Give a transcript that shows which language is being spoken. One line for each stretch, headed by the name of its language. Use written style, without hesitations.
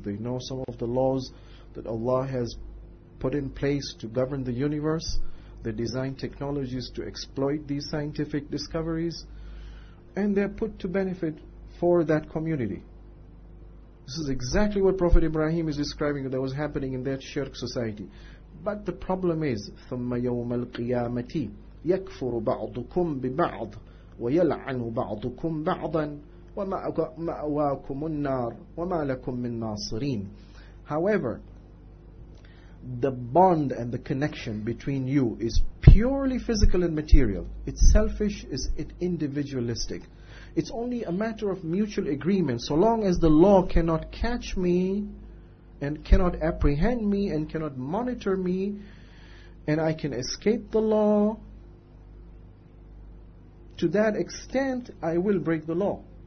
English: They know some of the laws that Allah has put in place to govern the universe. They design technologies to exploit these scientific discoveries. And they're put to benefit for that community. This is exactly what Prophet Ibrahim is describing that was happening in that shirk society. But the problem is,
Arabic: ثُمَّ يَوْمَ الْقِيَامَةِ يَكْفُرُ بَعْضُكُمْ بِبَعْضٍ وَيَلْعَنُ بَعْضُكُمْ بَعْضًا وَمَأْوَاكُمُ النَّارِ وَمَا لَكُمْ مِنْ نَاصِرِينَ.
English: However, the bond and the connection between you is purely physical and material. It's selfish, it's individualistic. It's only a matter of mutual agreement. So long as the law cannot catch me and cannot apprehend me and cannot monitor me and I can escape the law, to that extent I will break the law.